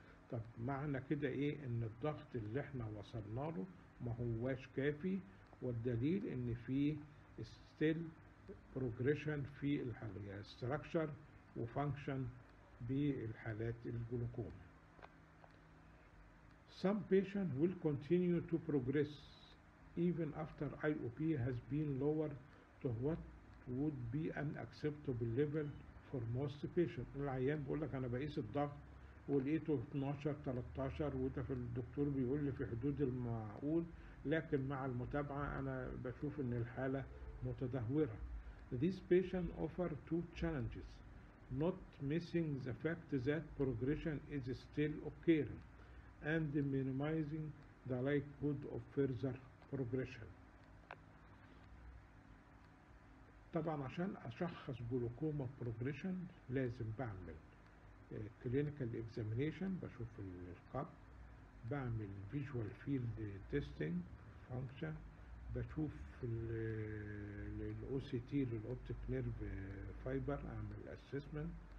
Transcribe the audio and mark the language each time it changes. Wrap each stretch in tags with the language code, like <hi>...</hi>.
<ar>طب معنى كده ايه؟ ان الضغط اللي احنا وصلنا له ما هواش كافي، والدليل ان فيه</ar> <en>still progression</en> <ar>في الحالة structure و function بالحالات الجلوكوم.</ar> <en>Some patients will continue to progress even after IOP has been lowered to what would be an acceptable level for most patients.</en> <ar>العيان بيقول لك انا بقيس الضغط ولقيته 12 13 وده في الدكتور بيقول لي في حدود المعقول، لكن مع المتابعة انا بشوف ان الحالة متدهورة.</ar> <en>This patient offer two challenges: not missing the fact that progression is still occurring and minimizing the likelihood of further progression.</en> <ar>طبعا عشان اشخص جلوكوما progression لازم بعمل</ar> <en>clinical examination،</en> <ar>بشوف الكاب، بعمل</ar> <en>visual field testing function،</en> <ar>بشوف الـ OCT للـ optic nerve fiber، اعمل assessment.</ar>